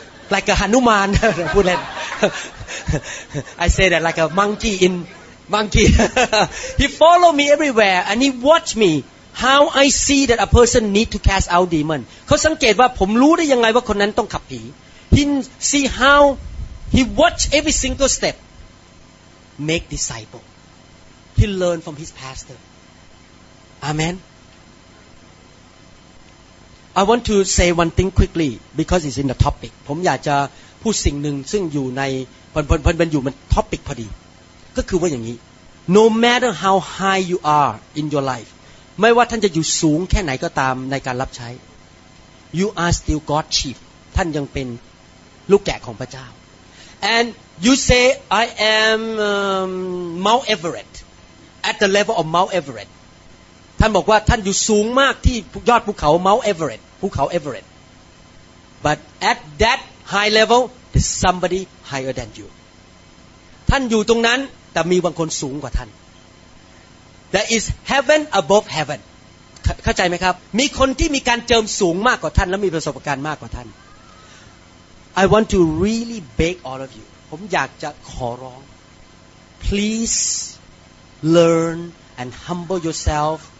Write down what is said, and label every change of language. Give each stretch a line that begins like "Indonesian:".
English: Like a Hanuman, I say that like a monkey. He follow me everywhere and he watch me how I see that a person need to cast out demon.
Thai: เขาสังเกตว่าผมรู้ได้ยังไงว่าคนนั้นต้องขับผี
English: He see how he watch every single step. Make disciple. He learn from his pastor. Amen. I want to say one thing quickly because it's in the topic.
Thai: ผมอยากจะพูดสิ่งหนึ่งซึ่งอยู่ในมันอยู่มันท็อปิกพอดีก็คือว่าอย่างนี้
English: No matter how high you are in your life,
Thai: ไม่ว่าท่านจะอยู่สูงแค่ไหนก็ตามในการรับใช้
English: you are still God's sheep.
Thai: ท่านยังเป็นลูกแกะของพระเจ้า
English: And you say I am Mount Everest at the level of Mount Everest.
Thai: ท่านบอกว่าท่านอยู่สูงมากที่ยอดภูเขา Mount Everest, ภูเขา Everest.
English: But at that high level, there's somebody higher than you.
Thai: ท่านอยู่ตรงนั้นแต่มีบางคนสูงกว่าท่าน
English: There is heaven above heaven.
Thai: เข้าใจไหมครับมีคนที่มีการเจิมสูงมากกว่าท่านและมีประสบการณ์มากกว่าท่าน
English: I want to really beg all of you.
Thai: ผมอยากจะขอร้อง
English: Please learn and humble yourself.